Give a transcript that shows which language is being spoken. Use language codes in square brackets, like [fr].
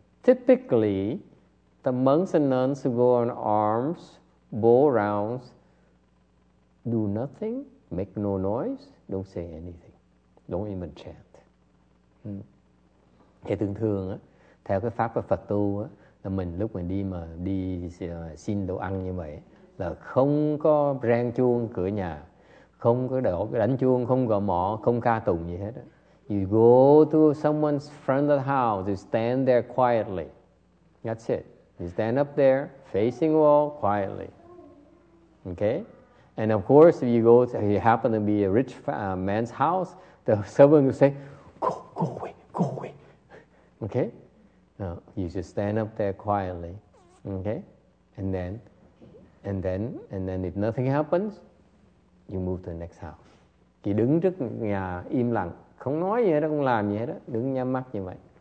[en] Typically the monks and nuns who go on arms, bow rounds, do nothing, make no noise, don't say anything, don't even chant. [vi] Thì thường thường á, theo cái pháp của Phật tu á, là mình lúc mình đi mà đi xin đồ ăn như vậy là không có rang chuông cửa nhà, không có đánh chuông, không gõ mõ, không ca tụng gì hết á. [en] You go to someone's front of the house, you stand there quietly. That's it. You stand up there facing the wall quietly. Okay? And of course, if you go to, if you happen to be a rich man's house, the servant will say, go, go away, go away. Okay? No, you just stand up there quietly. Okay? And then if nothing happens, you move to the next house. [vi] Chỉ đứng trước nhà im lặng, không nói gì hết, không làm gì hết, đứng nhắm mắt như vậy.